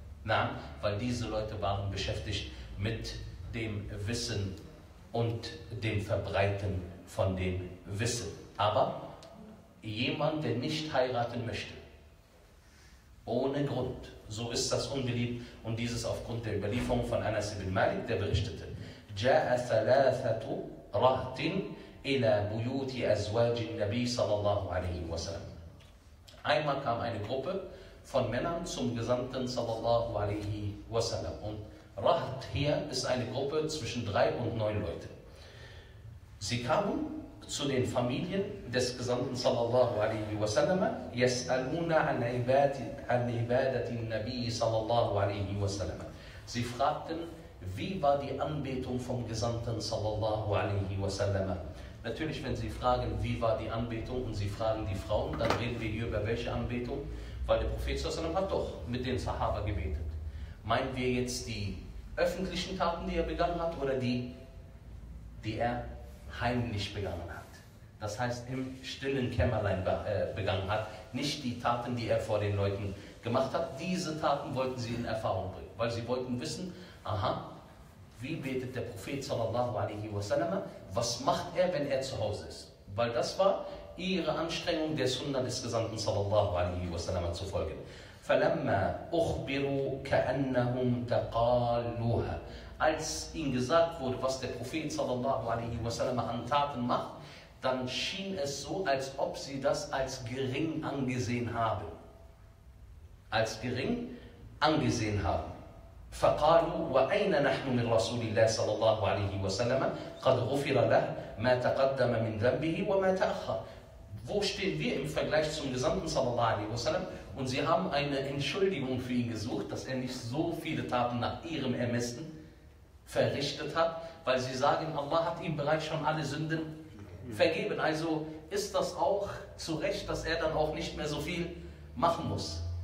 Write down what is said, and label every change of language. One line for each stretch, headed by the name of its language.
German: Na, weil diese Leute waren beschäftigt mit dem Wissen und dem Verbreiten von dem Wissen. Aber jemand, der nicht heiraten möchte, ohne Grund, so ist das unbeliebt, und dieses aufgrund der Überlieferung von Anas ibn Malik, der berichtete,
Arabic: جاء ثلاثة رهط إلى بيوت أزواج النبي صلى الله عليه وسلم.
German: Einmal kam eine Gruppe von Männern zum Gesandten
Arabic: صلى الله عليه وسلم.
German: Und Rahat hier ist eine Gruppe zwischen 3 und 9 Leute. Sie kamen zu den Familien des Gesandten
Arabic: صلى الله عليه وسلم. يسألون عن عبادة النبي صلى الله عليه وسلم.
German: Sie fragten, wie war die Anbetung vom Gesandten
Arabic: صلى الله عليه وسلم.
German: Natürlich, wenn Sie fragen, wie war die Anbetung, und Sie fragen die Frauen, dann reden wir hier über welche Anbetung, weil der Prophet ﷺ hat doch mit den Sahaba gebetet. Meinen wir jetzt die öffentlichen Taten, die er begangen hat, oder die, die er heimlich begangen hat? Das heißt, im stillen Kämmerlein begangen hat, nicht die Taten, die er vor den Leuten gemacht hat. Diese Taten wollten sie in Erfahrung bringen, weil sie wollten wissen, aha, wie betet der Prophet
Arabic: sallallahu alaihi wasallam?
German: Was macht er, wenn er zu Hause ist? Weil das war ihre Anstrengung, der Sunna des Gesandten
Arabic: sallallahu alaihi wasallam
German: zu folgen.
Arabic: فَلَمَّا أُخْبِرُوا كَأَنَّهُمْ تَقَالُوهَا.
German: Als ihnen gesagt wurde, was der Prophet
Arabic: sallallahu alaihi wasallam
German: an Taten macht, dann schien es so, als ob sie das als gering angesehen haben. Als gering angesehen haben.
Arabic: فقالوا وأين نحن من رسول الله صلى الله عليه وسلم قد غفر له ما تقدم من ذنبه وما تأخر.
German: Wo stehen wir im Vergleich zum Gesandten
Arabic: صلى الله عليه وسلم?
German: Und sie haben eine Entschuldigung für ihn gesucht, dass er nicht so viele Taten nach ihrem Ermessen verrichtet hat, weil sie sagen, Allah hat ihm bereits schon alle Sünden vergeben. Also ist das auch zu Recht, dass er dann auch nicht mehr so viel machen muss.